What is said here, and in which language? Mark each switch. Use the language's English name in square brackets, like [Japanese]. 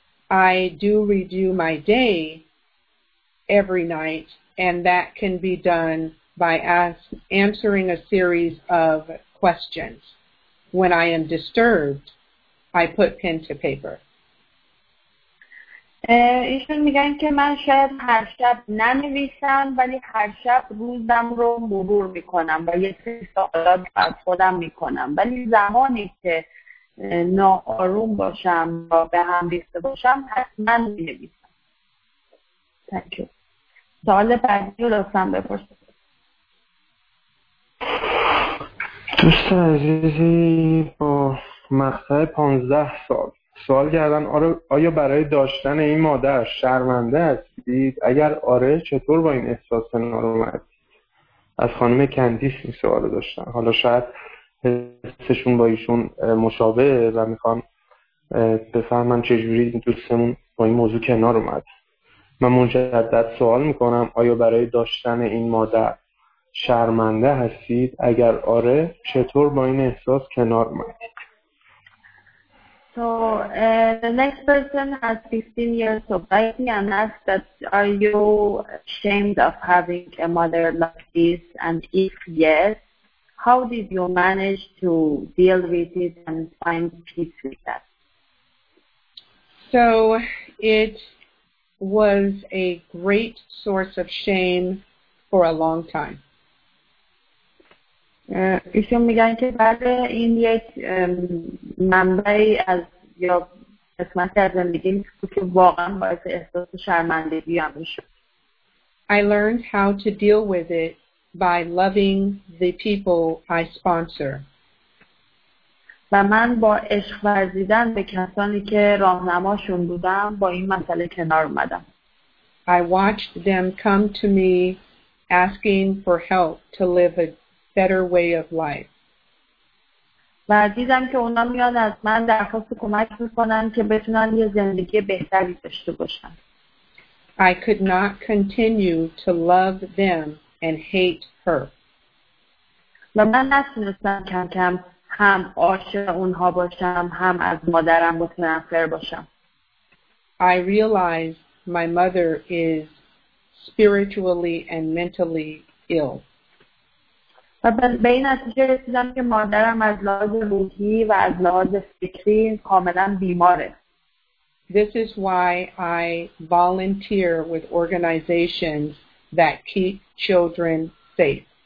[English] I do review my day every night, and that can be done by answering a series of questions. When I am disturbed, I put pen to paper. [Persian] ایشون میگن که من شاید هر شب ننویسم، ولی هر شب روزم رو مرور میکنم و یه سری سوالات از خودم میکنم، ولی زمانی که ناآروم باشم و به هم ریخته باشم حتما مینویسم. [English] Thank you. [Persian] سوال بعدی رو لطفاً بپرسید. دوست عزیزی با مقطع 15 سال سوال کردن، آیا برای داشتن این مادر شرمنده هستید؟ اگر آره چطور با این احساس ناراحتید؟ از خانم کندیس این سوال رو داشتن، حالا شاید حسشون با ایشون مشابهه و میخوام بفهمم چجوری دوستمون با این موضوع کنار اومد. من مجدد سوال میکنم، آیا برای داشتن این مادر شرمنده هستید؟ اگر آره چطور با این احساس کنار اومدید؟ [English] So the next person has 15 years sobriety and asks that are you ashamed of having a mother like this? And if yes, how did you manage to deal with it and find peace with that? So it was a great source of shame for a long time. [Persian] ایشون میگن که بله این یک منبعی از یا قسمتی از زندگی میشه که واقعا باعث احساس شرمندگی هم میشه. [English] I learned how to deal with it by loving the people I sponsor. [Persian] و من با عشق ورزیدن به کسانی که راهنماشون بودم با این مسئله کنار اومدم. [English] I watched them come to me asking for help to live a better way of life. [Persian] و دیدم که اونا میان از من درخواست کمک میکنن که بتونن یه زندگی بهتری داشته باشن. [English] I could not continue to love them and hate her. [Persian] و من نتونستم کم کم هم عاشق اونها باشم هم از مادرم متنفر باشم. [English] I realize my mother is spiritually and mentally ill. [Persian] و به این نتیجه رسیدم که مادرم از لحاظ روحی و از لحاظ فکری کاملا بیماره. [English] This is why I volunteer with organizations that keep children safe.